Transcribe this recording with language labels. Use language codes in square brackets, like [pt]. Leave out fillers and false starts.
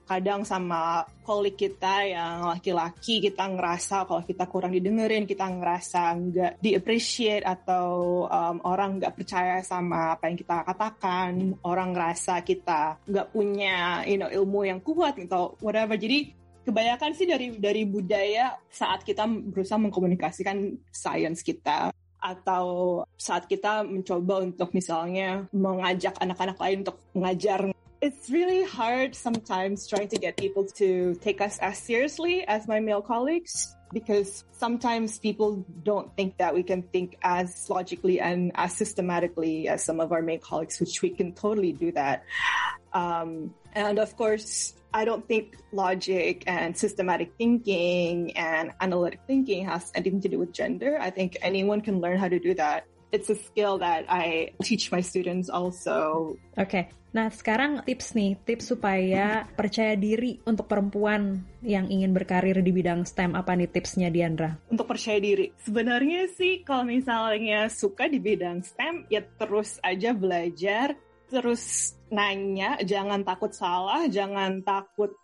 [id] Kadang sama kolik kita yang laki-laki, kita ngerasa kalau kita kurang didengerin, kita ngerasa nggak di-appreciate, atau orang nggak percaya sama apa yang kita katakan, orang ngerasa kita nggak punya, you know, ilmu yang kuat, atau whatever. Jadi kebanyakan sih dari budaya saat kita berusaha mengkomunikasikan science kita, atau saat kita mencoba untuk misalnya mengajak anak-anak lain untuk mengajar. [en] It's really hard sometimes trying to get people to take us as seriously as my male colleagues, because sometimes people don't think that we can think as logically and as systematically as some of our male colleagues, which we can totally do that. And of course, I don't think logic and systematic thinking and analytic thinking has anything to do with gender. I think anyone can learn how to do that. It's a skill that I teach my students also. Okay. [id] Nah, sekarang tips nih, tips supaya percaya diri untuk perempuan yang ingin berkarir di bidang STEM. Apa nih tipsnya, Diandra? Untuk percaya diri, sebenarnya sih kalau misalnya suka di bidang STEM, ya terus aja belajar, terus nanya, jangan takut salah, jangan takut